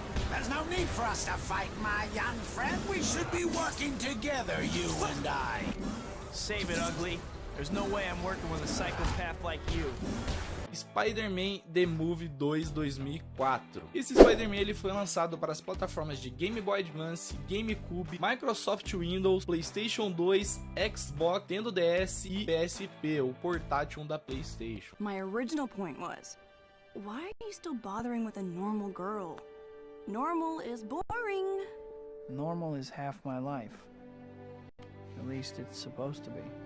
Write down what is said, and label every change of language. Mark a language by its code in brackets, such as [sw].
[en] There's no need for us to fight, my young friend. We should be working together, you and I. Save it, ugly. There's no way I'm working with a psychopath like you. Spider-Man The Movie 2 2004. [pt] Esse Spider-Man ele foi lançado para as plataformas de Game Boy Advance, GameCube, Microsoft Windows, PlayStation 2, Xbox, Nintendo DS e PSP, o portátil da PlayStation. [en] My original point was, why are you still bothering with a normal girl? Normal is boring. Normal is half my life. At least it's supposed to be.